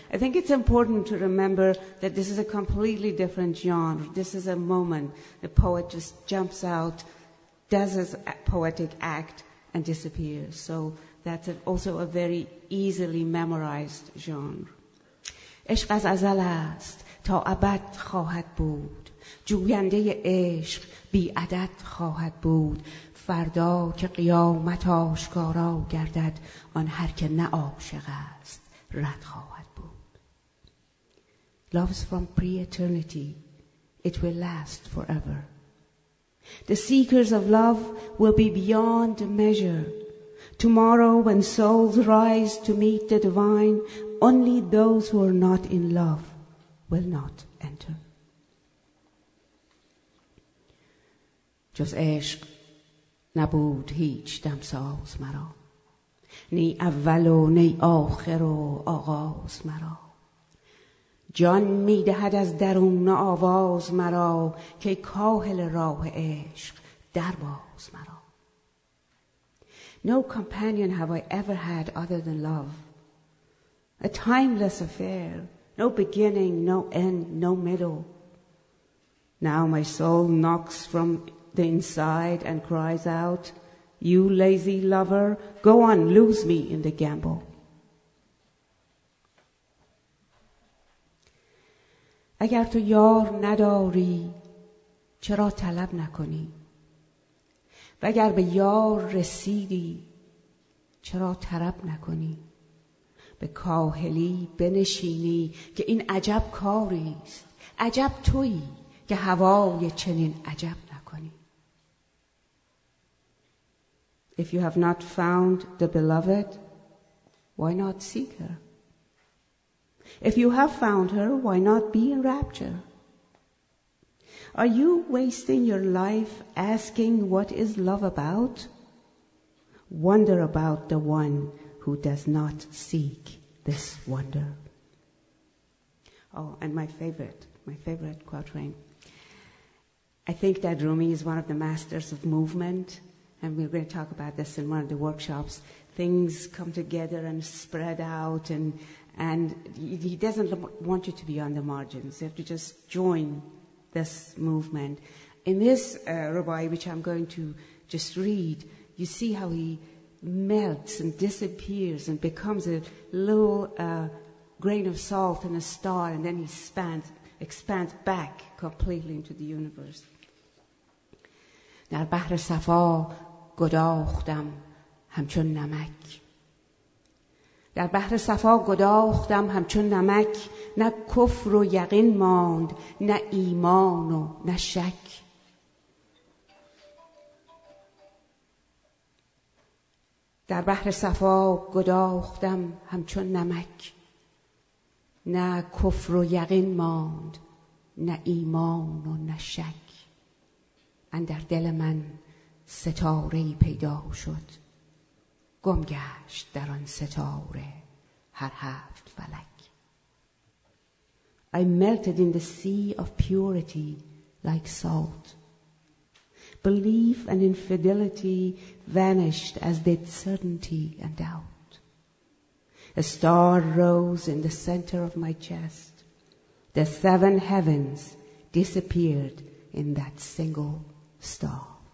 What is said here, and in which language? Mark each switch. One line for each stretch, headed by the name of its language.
English: I think it's important to remember that this is a completely different genre. This is a moment. The poet just jumps out, does his poetic act, and disappears. So that's also a very easily memorized genre.
Persian: عشق از ازل است تا ابد خواهد بود جوینده عشق بی عدد خواهد بود فردا که قیامت آشکارا گردد آن هر که نه عاشق است رد خواهد بود.
English: Loves from pre-eternity, it will last forever. The seekers of love will be beyond measure. Tomorrow, when souls rise to meet the divine, only those who are not in love will not enter.
Persian: جز عشق نبود هیچ دمساز مرا، نی اول و نی آخر و آغاز مرا. جان می دهد از درون آواز مرا، که کاهل راه عشق درباز مرا.
English: No companion have I ever had other than love. A timeless affair, no beginning, no end, no middle. Now my soul knocks from the inside and cries out, you lazy lover, go on, lose me in the gamble.
Persian: اگر تو یار نداری چرا طلب نکنی؟ و اگر به یار رسیدی چرا طرب نکنی؟ به کاهلی بنشینی که این عجب کاریست، عجب تویی که هوای چنین عجب نکنی.
English: If you have not found the beloved, why not seek her? If you have found her, why not be in rapture? Are you wasting your life asking what is love about? Wonder about the one who does not seek this wonder. Oh, and my favorite quatrain. I think that Rumi is one of the masters of movement, and we're going to talk about this in one of the workshops. Things come together and spread out, and he doesn't want you to be on the margins. You have to just join this movement. In this rubai, which I'm going to just read, you see how he melts and disappears and becomes a little grain of salt in a star, and then he expands back completely into the universe.
Persian: در بحر صفا گداختم همچون نمک، در بحر صفا گداختم همچون نمک، نه کفر و یقین ماند، نه ایمان و نه شک. در بحر صفا گداختم همچون نمک، نه کفر و یقین ماند، نه ایمان و نه شک. اندر دل من ستاره پیدا شد، گم گشت در آن ستاره هر هفت فلک.
English: I melted in the sea of purity like salt. Belief and infidelity vanished as did certainty and doubt. A star rose in the center of my chest. The seven heavens disappeared in that single star.